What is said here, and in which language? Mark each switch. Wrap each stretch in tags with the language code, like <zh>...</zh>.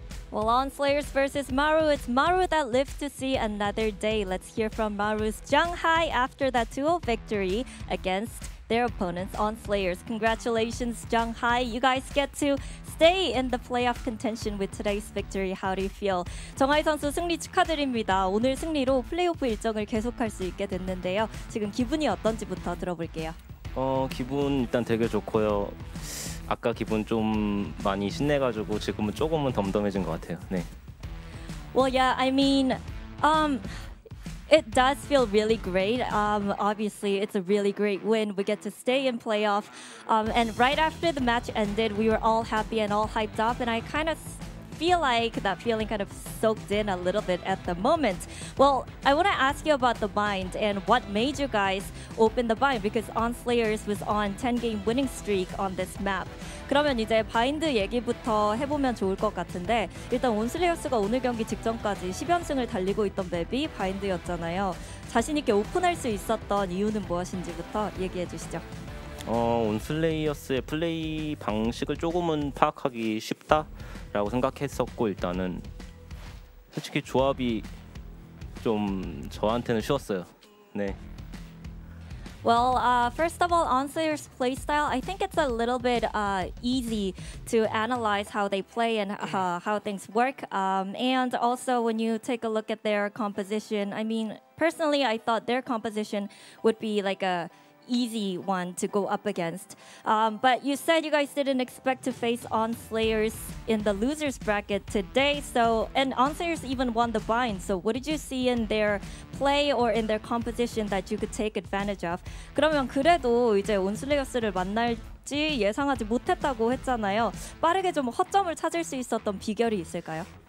<en>Well, on Slayers versus Maru, it's Maru that lives to see another day. Let's hear from Maru's Junghai after that 2-0 victory against their opponents on Slayers. Congratulations, Junghai. You guys get to stay in the playoff contention with today's victory. How do you feel?</en> <ko>정하이 선수 승리 축하드립니다. 오늘 승리로 플레이오프 일정을 계속할 수 있게 됐는데요. 지금 기분이 어떤지부터 들어볼게요. 기분 일단 되게 좋고요. 아까 기분 좀 많이 신내가지고 지금은 조금은 덤덤해진 것 같아요. 네.</ko> <en>Well, yeah, I mean, it does feel really great. Obviously, it's a really great win. We get to stay in playoff. And right after the match ended, we were all happy and all hyped up. And I kind of feel like that feeling kind of soaked in a little bit at the moment. Well, I want to ask you about the bind and what made you guys open the bind, because ON Slayers was on 10-game winning streak on this map.</en> <ko>그러면 이제 바인드 얘기부터 해보면 좋을 것 같은데 일단 ON Slayers가 오늘 경기 직전까지 10연승을 달리고 있던 맵이 바인드였잖아요. 자신 있게 오픈할 수 있었던 이유는 무엇인지부터 얘기해 주시죠. 온 슬레이어스의 플레이 방식을 조금은 파악하기 쉽다라고 생각했었고 일단은 솔직히 조합이 좀 저한테는 쉬웠어요. 네.</ko> <en>Well, first of all, Onslayer's play style, I think it's a little bit easy to analyze how they play and how things work. And also, when you take a look at their composition, I mean, personally, I thought their composition would be like a easy one to go up against. But you said you guys didn't expect to face Onslayers in the loser's bracket today. So, and Onslayers even won the bind. So what did you see in their play or in their composition that you could take advantage of?</en> <ko>그러면 그래도 이제 온슬레이어스를 만날지 예상하지 못했다고 했잖아요. 빠르게 좀 허점을 찾을 수 있었던 비결이 있을까요?</ko>